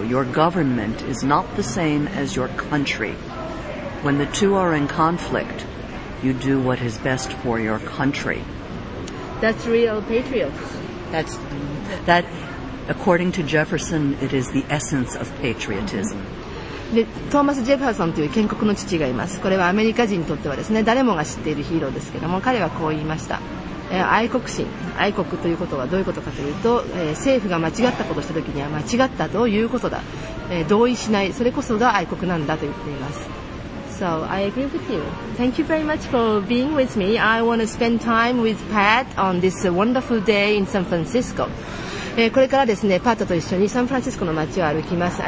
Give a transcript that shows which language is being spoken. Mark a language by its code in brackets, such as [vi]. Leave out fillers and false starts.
[en] Your government is not the same as your country. When the two are in conflict, you do what is best for your country. That's real patriots. That According to Jefferson, it is the essence of patriotism. [ja] で、トーマス・ジェファーソンという建国の父がいます。これはアメリカ人にとってはですね、誰もが知っているヒーローですけども、彼はこう言いました。愛国心、愛国ということはどういうことかというと、政府が間違ったことをしたときには間違ったということだ。同意しない、それこそが愛国なんだと言っています。 [en] So, I agree with you. Thank you very much for being with me. I want to spend time with Pat on this wonderful day in San Francisco. [ja] これからですね、パットと一緒にサンフランシスコの街を歩きます。